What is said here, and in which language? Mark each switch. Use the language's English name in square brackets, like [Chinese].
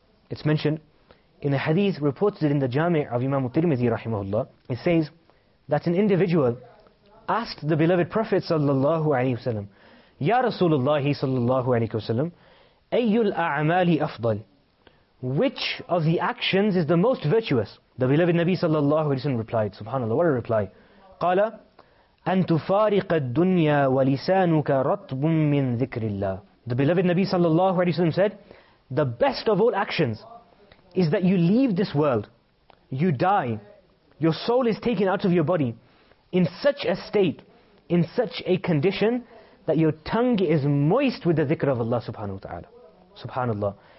[English] It's mentioned in a hadith reported in the Jami' of Imam Tirmidhi rahimahullah. It says that an individual asked the beloved Prophet sallallahu alayhi wa sallam, "Ya Rasulullah sallallahu alayhi wa sallam, [Arabic] ayyul a'amali afdal?" [English] Which of the actions is the most virtuous? The beloved Nabi sallallahu alayhi wa sallam replied, subhanallah, what a reply. [Arabic] قال أن تفارق الدنيا ولسانك رطب من ذكر الله. [English] The beloved Nabi sallallahu alayhi wa sallam said, the best of all actions is that you leave this world, you die, Your soul is taken out of your body in such a state, in such a condition, that your tongue is moist with the dhikr of Allah subhanahu wa ta'ala. Subhanallah.